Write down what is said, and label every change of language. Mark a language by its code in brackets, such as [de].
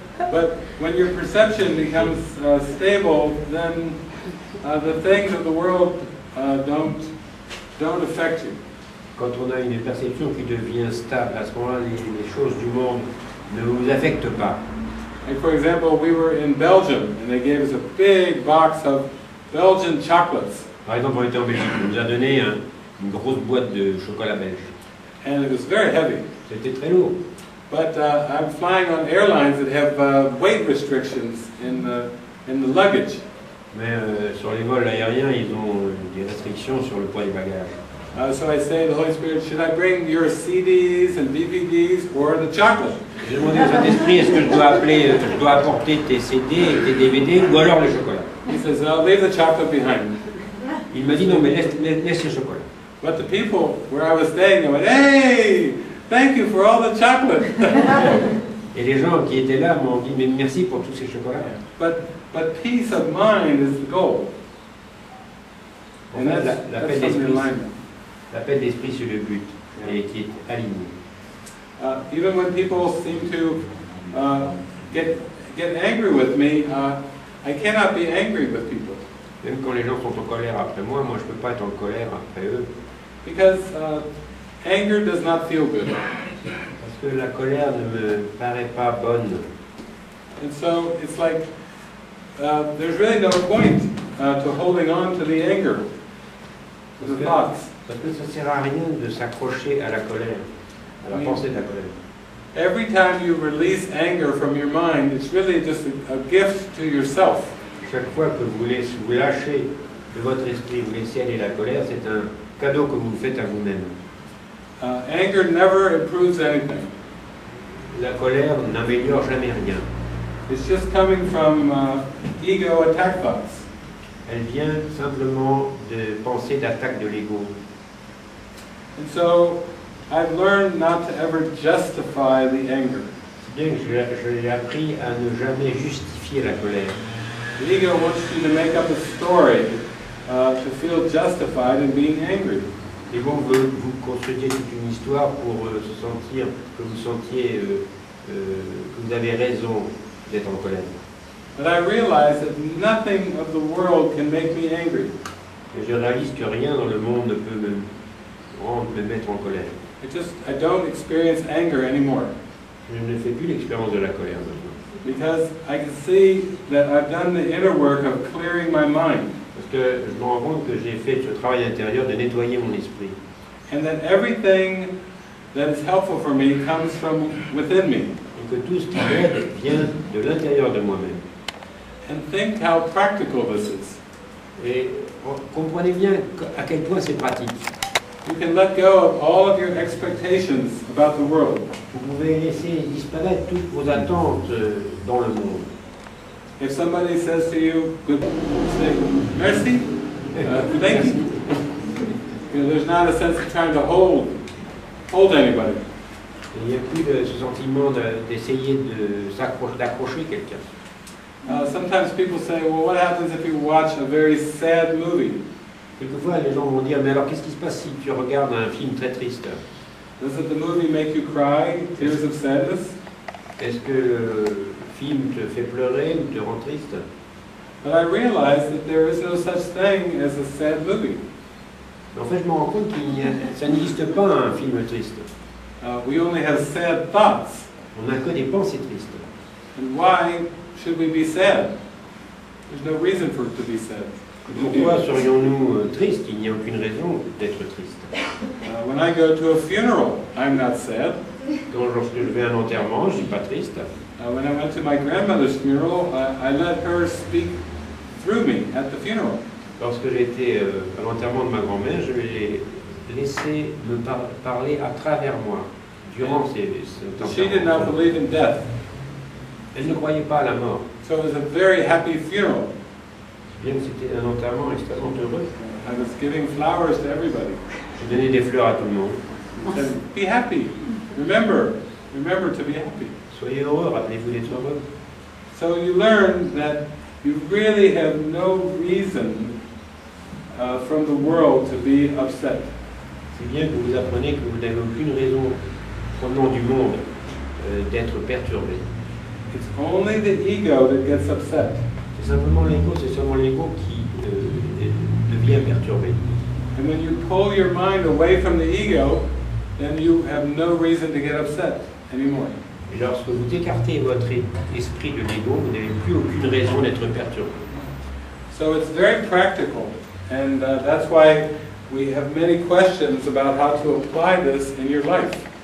[en] But when your perception becomes stable, then the things of the world don't affect you. [fr] Quand on a une perception qui devient stable, à ce moment-là, les choses du monde ne vous affectent pas. [en] Like for example, we were in Belgium, and they gave us a big box of Belgian chocolates. [fr] Par exemple, on était en Belgique, on nous a donné une grosse boîte de chocolat belge. [en] And it was very heavy. [fr] C'était très lourd. [en] But I'm flying on airlines that have weight restrictions in the luggage. [fr] Mais sur les vols aériens, ils ont des restrictions sur le poids des bagages. [en] So I say to the Holy Spirit, should I bring your CDs and DVDs or the chocolate? [fr] Je demande au Saint-Esprit, est-ce que je dois apporter tes CD et tes DVD ou alors le chocolat? [en] He says, I'll leave the chocolate behind. [fr] Il m'a dit, non, mais laisse le chocolat. [en] But the people where I was staying, they went, hey, thank you for all the chocolate. [fr] Et les gens qui étaient là m'ont dit, mais merci pour tous ces chocolats. [en] But peace of mind is the goal. [fr] And la paix d'esprit. La paix d'esprit sur le but et qui est aligné. [en] Even when people seem to get angry with me, I cannot be angry with people. [fr] Même quand les gens sont en colère après moi, je peux pas être en colère après eux. [en] Because anger does not feel good. [fr] Parce que la colère ne me paraît pas bonne. [en] And so it's like there's really no point to holding on to the anger, to the thoughts. [fr] Parce que ça ne sert à rien de s'accrocher à la colère, à la pensée de la colère. [en] Every time you release anger from your mind, it's really just a gift to yourself. [fr] Chaque fois que vous lâchez de votre esprit, vous laissez aller la colère, c'est un cadeau que vous faites à vous-même. [en] Anger never improves anything. [fr] La colère n'améliore jamais rien. [en] It's just coming from ego attack thoughts. [fr] Elle vient simplement de pensées d'attaque de l'ego. [en] And so, I've learned not to ever justify the anger. [fr] Donc, je l'ai appris à ne jamais justifier la colère. [en] The ego wants you to make up a story to feel justified in being angry. [fr] L'ego veut vous construire toute une histoire pour se sentir que vous sentiez que vous avez raison d'être en colère. [en] But I realize that nothing of the world can make me angry. [fr] Et je réalise que rien dans le monde ne peut me mettre en colère. [en] I don't experience anger anymore. [fr] Je ne fais plus l'expérience de la colère maintenant. [en] Because I can see that I've done the inner work of clearing my mind. [fr] Parce que je me rends compte que j'ai fait ce travail intérieur de nettoyer mon esprit. [en] And that everything that is helpful for me comes from within me. [fr] Et que tout ce qui m'aide vient de l'intérieur de moi-même. [en] And think how practical this is. [fr] Et comprenez bien à quel point c'est pratique. [en] You can let go of all of your expectations about the world. [fr] Vous pouvez laisser disparaître toutes vos attentes dans le monde. [en] If somebody says to you, good, say, merci, thank you. You know, there's not a sense of trying to hold anybody. [fr] Il n'y a plus de ce sentiment d'essayer de d'accrocher quelqu'un. [en] Sometimes people say, well, what happens if you watch a very sad movie? [fr] Quelquefois, les gens vont dire, mais alors, qu'est-ce qui se passe si tu regardes un film très triste? [en] Does the movie make you cry, tears of sadness? [fr] Est-ce que le film te fait pleurer ou te rend triste? [en] But I realize that there is no such thing as a sad movie. [fr] En fait, je me rends compte qu'il y a, ça n'existe pas un film triste. [en] We only have sad thoughts. [fr] On n'a que des pensées tristes. [en] And why should we be sad? There's no reason for it to be sad. [fr] Pourquoi serions-nous tristes? Il n'y a aucune raison d'être triste. [en] When I go to a funeral, I'm not sad. [fr] Quand je vais à un enterrement, je ne suis pas triste. [en] When I went to my grandmother's funeral, I let her speak through me at the funeral. [fr] Lorsque j'étais à l'enterrement de ma grand-mère, je lui ai laissé me parler à travers moi durant cet enterrement. [en] She did not believe in death. [fr] Elle ne croyait pas à la mort. [en] So it was a very happy funeral. [fr] Bien que c'était un enterrement extrêmement heureux. [en] I was giving flowers to everybody. [fr] Je donnais des fleurs à tout le monde. [en] Said, be happy. Remember to be happy. [fr] Soyez heureux, rappelez-vous d'être heureux. [en] So you learn that you really have no reason from the world to be upset. [fr] C'est bien que vous apprenez que vous n'avez aucune raison provenant du monde d'être perturbé. [en] It's only the ego that gets upset. [fr] C'est simplement l'ego, c'est seulement l'ego qui devient perturbé. [en] And when you pull your mind away from the ego, then you have no reason to get upset anymore. [fr] Et lorsque vous écartez votre esprit de l'ego, vous n'avez plus aucune raison d'être perturbé. [en] So it's very practical, and that's why we have many questions about how to apply this in your life.